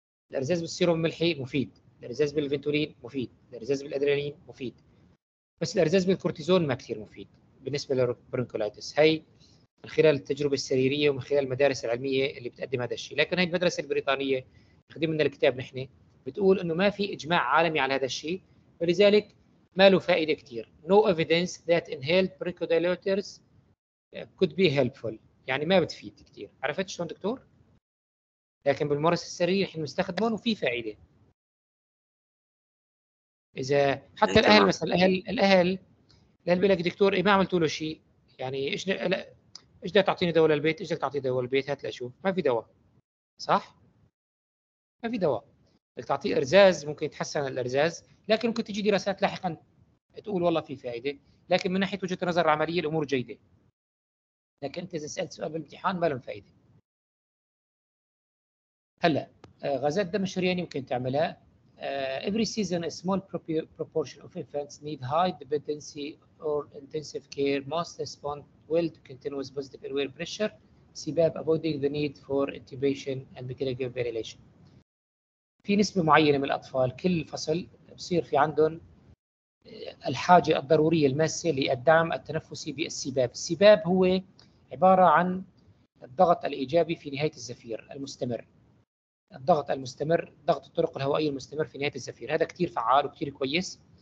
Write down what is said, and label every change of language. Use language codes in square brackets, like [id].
[ar] الإرزاز بالسيروم الملحي مفيد، الإرزاز بالفنتولين مفيد، الإرزاز بالأدرينالين مفيد، بس الإرزاز بالكورتيزون ما كثير مفيد بالنسبة للبرونكولايتس. هاي من خلال التجربة السريرية ومن خلال المدارس العلمية اللي بتقدم هذا الشيء، لكن هاي المدرسة البريطانية خدمة لنا الكتاب نحن بتقول إنه ما في إجماع عالمي على هذا الشيء، ولذلك ما له فائدة كتير. [en] No evidence that inhaled bronchodilators could be helpful، [ar] يعني ما بتفيد كتير. عرفت شلون دكتور؟ لكن بالممارسة السريرية نحن نستخدمه وفي فائدة. إذا حتى الأهل مثلا الأهل بيقول لك دكتور إيه ما عملتوا له شيء، يعني إيش ايش بدك تعطيني دواء للبيت، ايش بدك تعطيني دواء للبيت، هات لاشوف، ما في دواء صح، ما في دواء. بدك تعطيه ارزاز ممكن يتحسن الارزاز، لكن ممكن تجي دراسات لاحقا تقول والله في فائده، لكن من ناحيه وجهه نظر عمليه الامور جيده، لكن انت اذا سالت سؤال بالامتحان ما له فائده. هلا غازات دم الشرياني ممكن تعملها. [en] Every season a small proportion of infants need high dependency or intensive care. Most respond well to continuous positive airway pressure CPAP, avoiding the need for intubation and mechanical ventilation. [ar] في نسبة معينة من الأطفال كل فصل بصير في عندهم الحاجة الضرورية الماسة للدعم التنفسي بالسباب. السباب هو عبارة عن الضغط الإيجابي في نهاية الزفير المستمر، الضغط المستمر، ضغط الطرق الهوائية المستمر في نهاية الزفير، هذا كتير فعال وكتير كويس.